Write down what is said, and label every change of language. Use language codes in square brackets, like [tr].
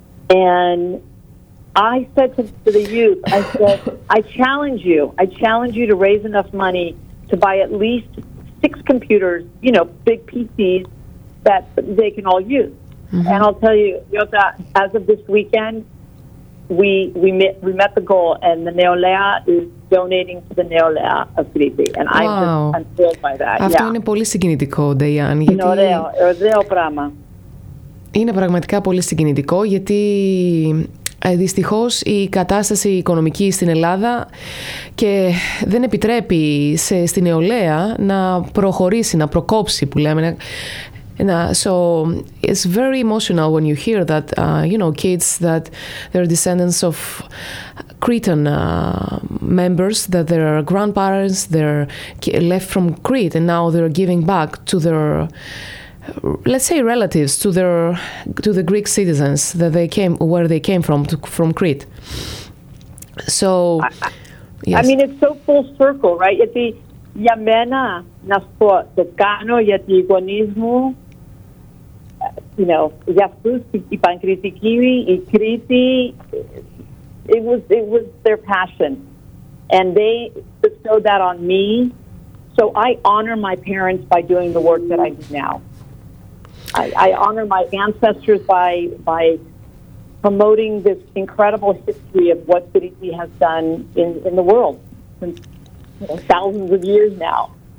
[en] And I said to the youth, I said, I challenge you to raise enough money to buy at least 6 computers, you know, big PCs that they can all use. Mm-hmm. And I'll tell you, Yota, as of this weekend, we met the goal, and the Neolea is donating to the Neolea of Crete. And wow. I'm thrilled by that. [el] Αυτό [en] yeah. [el] είναι πολύ συγκινητικό, Diane. Γιατί... Είναι ωραίο πράγμα. Είναι πραγματικά πολύ συγκινητικό, γιατί... Δυστυχώς η κατάσταση οικονομική στην Ελλάδα και δεν επιτρέπει στην νεολαία να προχωρήσει, να προκόψει, που λέμε. [en] So it's very emotional when you hear that, you know, kids that they're descendants of Cretan members, that their grandparents, they're left from Crete and now they're giving back to their... let's say relatives to the Greek citizens that they came where they came from Crete. So I mean, it's so full circle, right? [el] Γιατί για μένα να πω το κάνω γιατί οι γονείς μου, you know, για αυτούς η Πανκριτική, η Κρήτη, [en] it was their passion, and they bestowed that on me. So I honor my parents by doing the work that I do now. I honor my ancestors by promoting this incredible history of what Crete has done in the world since, you know, thousands of years now.